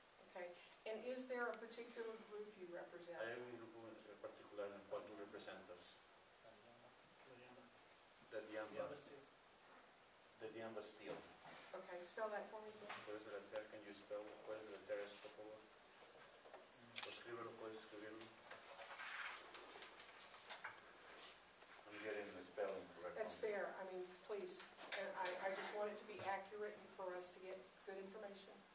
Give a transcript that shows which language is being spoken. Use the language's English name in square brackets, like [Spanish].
[English] Okay, and is there a particular group you represent? [Spanish] Hay un grupo en particular en cual tú representas. [English] The Diamba. The Diamba Steel. Okay, spell that for me, please. [Spanish] ¿Cuál es la letra? [English] Can you spell? [Spanish] ¿Cuál es la letra, por favor? Escríbelo, puedes escribirlo. [English] I'm getting the spelling correct. That's fair. I mean, please. I just want it to be accurate for us to get good information.